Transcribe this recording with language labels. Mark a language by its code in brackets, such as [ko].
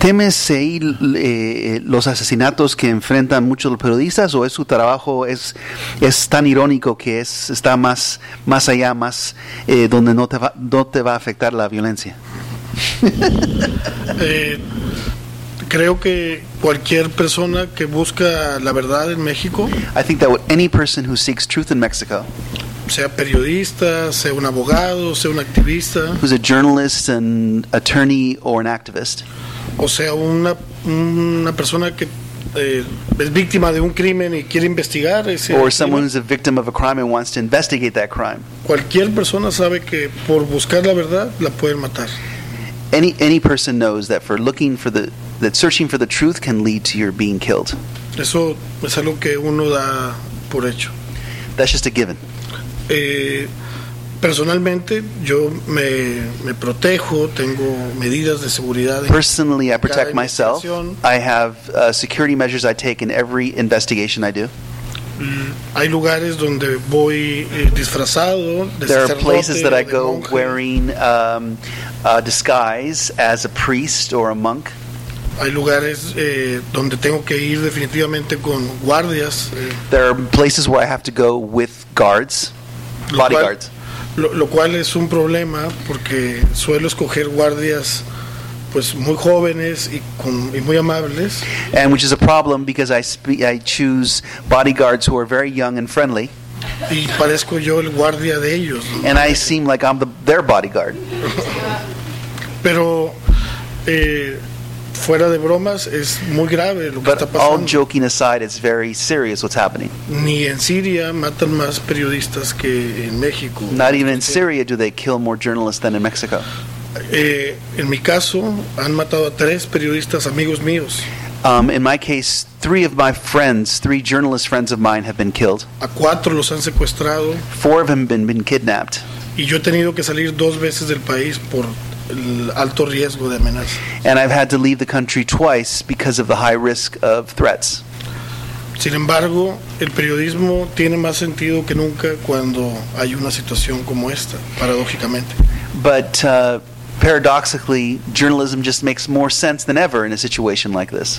[es] ¿Temes seguir los asesinatos que enfrentan muchos periodistas o es su trabajo es tan irónico que está más allá, más donde no te va a afectar la violencia? Creo que cualquier persona que busca la verdad en México, [en] I think that any person who seeks truth in Mexico, [es] sea periodista, sea un abogado, sea un activista, [en] who's a journalist, an attorney, or an activist, [es] o sea, una persona que es víctima de un crimen y quiere investigar ese [en] or someone crimen. Who's a victim of a crime and wants to investigate that crime. [es] Cualquier persona sabe que por buscar la verdad la pueden matar. [en] Any person knows that for looking for that searching for the truth can lead to your being killed. [es] Eso es algo que uno da por hecho. [en] That's just a given. [es] Personalmente, yo me protejo, tengo medidas de seguridad. [en] Personally, I protect myself. I have security measures I take in every investigation I do. [es] Hay lugares donde voy disfrazado. [en] There are places that I go wearing a disguise as a priest or a monk. [es] Hay lugares donde tengo que ir definitivamente con guardias. [en] There are places where I have to go with guards, bodyguards. [es] Lo cual es un problema porque suelo escoger guardias pues muy jóvenes y muy amables. [en] And which is a problem because I choose bodyguards who are very young and friendly. [es] Y parezco yo el guardia de ellos. [en] And I seem like I'm their bodyguard. [es] Pero fuera de bromas es muy grave lo que está pasando. [en] All joking aside, it's very serious what's happening. [es] Ni en Siria matan más periodistas que en México. [en] Not even in Syria do they kill more journalists than in Mexico. [es] En mi caso han matado a tres periodistas amigos míos. [en] In my case, three journalist friends of mine have been killed. [es] A cuatro los han secuestrado. [en] Four of them have been kidnapped. [es] Y yo he tenido que salir dos veces del país por alto riesgo de amenaza. [en] And I've had to leave the country twice because of the high risk of threats. [es] Sin embargo, el periodismo tiene más sentido que nunca cuando hay una situación como esta, paradójicamente. [en] But paradoxically, journalism just makes more sense than ever in a situation like this.